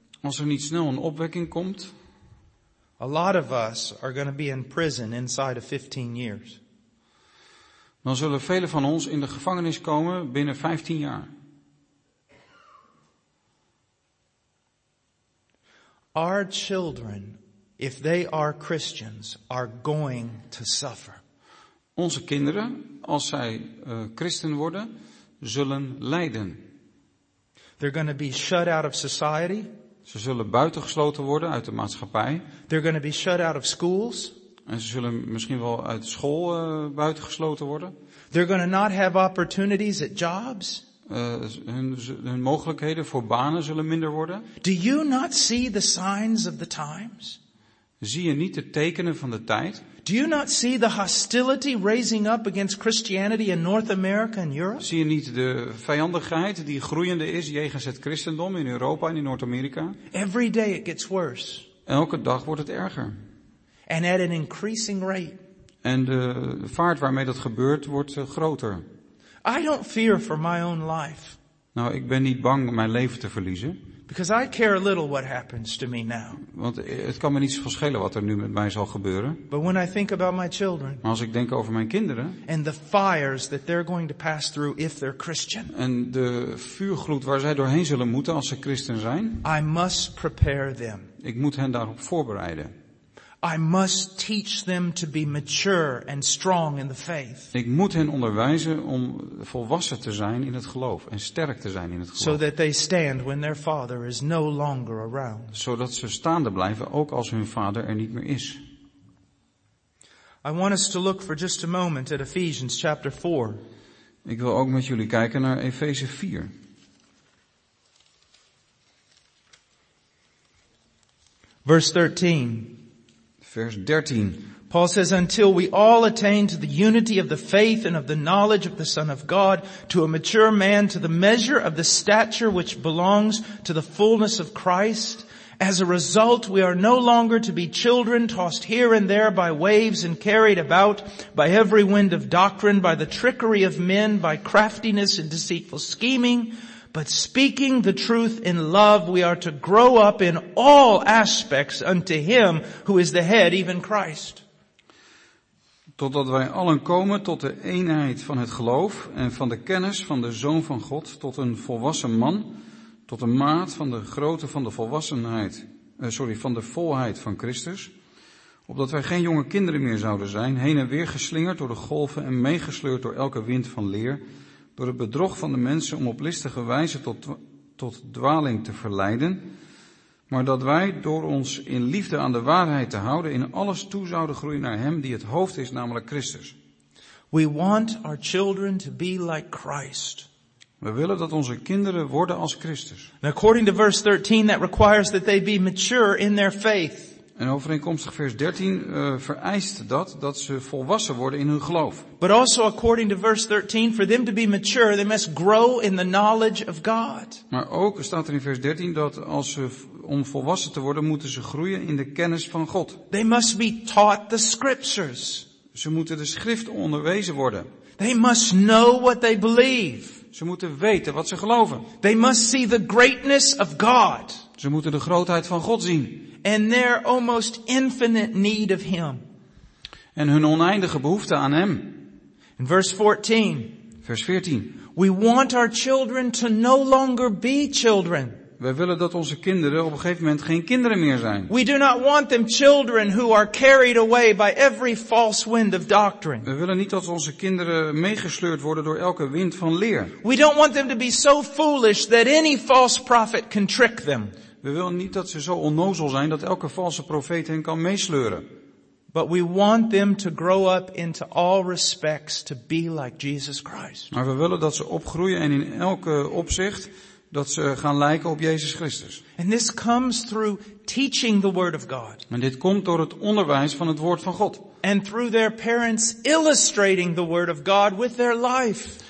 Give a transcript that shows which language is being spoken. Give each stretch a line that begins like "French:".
Dutch: Als er niet snel een opwekking komt.
English: A lot of us are going to be in prison inside of 15 years.
Dutch: Dan zullen velen van ons in de gevangenis komen binnen 15 jaar.
English: Our children, if they are Christians, are going to suffer.
Dutch: Onze kinderen, als zij christen worden, zullen lijden.
English: They're going to be shut out of society.
Dutch: Ze zullen buitengesloten worden uit de maatschappij.
English: They're going to be shut out of schools.
Dutch: En ze zullen misschien wel uit school buitengesloten worden.
English: They're going to not have opportunities at jobs.
Dutch: Hun mogelijkheden voor banen zullen minder worden.
English: Do you not see the signs of the times?
Dutch: Zie je niet de tekenen van de tijd?
English: Do you not see the hostility raising up against Christianity in North America and Europe?
Dutch: Zie je niet de vijandigheid die groeiende is jegens het christendom in Europa en in Noord-Amerika?
English: Every day it gets worse.
Dutch: Elke dag wordt het erger.
English: And at an increasing rate.
Dutch: En de vaart waarmee dat gebeurt wordt groter.
English: I don't fear for my own life.
Dutch: Nou, ik ben niet bang mijn leven te verliezen.
English: Because I care a little what happens to me now.
Dutch: Want het kan me niet zoveel schelen wat er nu met mij zal gebeuren.
English: But when I think about my children.
Dutch: Maar als ik denk over mijn kinderen.
English: And the fires that they're going to pass through if they're Christian.
Dutch: En de vuurgloed waar zij doorheen zullen moeten als ze christen zijn.
English: I must prepare them.
Dutch: Ik moet hen daarop voorbereiden.
English: I must teach them to be mature and strong in the faith.
Dutch: Ik moet hen onderwijzen om volwassen te zijn in het geloof en sterk te zijn in het geloof.
English: So that they stand when their father is no longer around.
Dutch: Zodat ze staande blijven ook als hun vader er niet meer is.
English: I want us to look for just a moment at Ephesians chapter 4.
Dutch: Ik wil ook met jullie kijken naar Efeze 4.
English: Verse 13.
Dutch: Vers 13.
English: Paul says, until we all attain to the unity of the faith and of the knowledge of the Son of God, to a mature man, to the measure of the stature which belongs to the fullness of Christ, as a result we are no longer to be children tossed here and there by waves and carried about by every wind of doctrine, by the trickery of men, by craftiness and deceitful scheming, but speaking the truth in love, we are to grow up in all aspects unto him who is the head, even Christ.
Dutch: Totdat wij allen komen tot de eenheid van het geloof en van de kennis van de Zoon van God, tot een volwassen man, tot de maat van de grootte van de volwassenheid, van de volheid van Christus, opdat wij geen jonge kinderen meer zouden zijn, heen en weer geslingerd door de golven en meegesleurd door elke wind van leer, door het bedrog van de mensen om op listige wijze tot dwaling te verleiden, maar dat wij door ons in liefde aan de waarheid te houden in alles toe zouden groeien naar hem die het hoofd is, namelijk Christus.
English: We want our children to be like Christ.
Dutch: We willen dat onze kinderen worden als Christus.
English: And according to verse 13, that requires that they be mature in their faith.
Dutch: En overeenkomstig vers 13 vereist dat ze volwassen worden in hun geloof.
English: But also according to verse 13, for them to be mature, they must grow in the knowledge of God.
Dutch: Maar ook staat er in vers 13 dat als ze om volwassen te worden, moeten ze groeien in de kennis van God.
English: They must be taught the scriptures.
Dutch: Ze moeten de schrift onderwezen worden.
English: They must know what they believe.
Dutch: Ze moeten weten wat ze geloven.
English: They must see the greatness of God.
Dutch: Ze moeten de grootheid van God zien.
English: And their almost infinite need of him.
Dutch: En hun oneindige behoefte aan hem.
English: In verse 14.
Dutch: Vers 14.
English: We want our children to no longer be children.
Dutch: We willen dat onze kinderen op een gegeven moment geen kinderen meer zijn.
English: We do not want them children who are carried away by every false wind of doctrine.
Dutch: We willen niet dat onze kinderen meegesleurd worden door elke wind van leer.
English: We don't want them to be so foolish that any false prophet can trick them.
Dutch: We willen niet dat ze zo onnozel zijn dat elke valse profeet hen kan meesleuren.
English: But we want them to grow up into all respects to be like Jesus Christ.
Dutch: Maar we willen dat ze opgroeien en in elke opzicht dat ze gaan lijken op Jezus Christus.
English: And this comes through teaching the word of God.
Dutch: En dit komt door het onderwijs van het woord van God.
English: And through their parents illustrating the word of God with their life.